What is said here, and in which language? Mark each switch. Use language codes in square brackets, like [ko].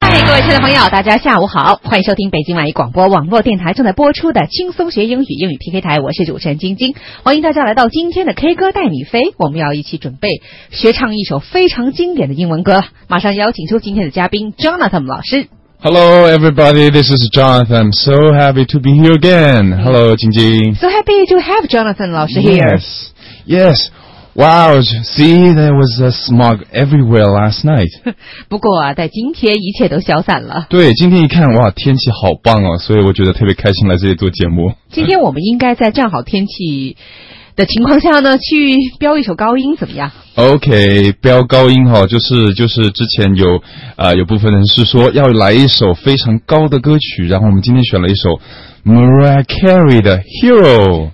[zh] 位亲爱的朋友，大家下午好，欢迎收听北京外语广播网络电台正在播出的轻松学英语英语 PK 台，我是主持人晶晶，欢迎大家来到今天的 K 歌带你飞，我们要一起准备学唱一首非常经典的英文歌，马上邀请出今天的嘉宾 Jonathan 老师。 [en] Hello everybody, this is Jonathan. So happy to be here again. Hello, 晶晶. So happy to have Jonathan 老师 here. Yes, yes. Wow, see, there was a smog everywhere last night. [zh] 不过啊，在今天一切都消散了。对，今天一看，哇，天气好棒哦，所以我觉得特别开心来这里做节目。今天我们应该在正好天气的情况下呢，去飙一首高音怎么样？ OK, 飙高音齁、哦、就是之前有有部分人是说要来一首非常高的歌曲，然后我们今天选了一首 Mariah Carey 的 Hero。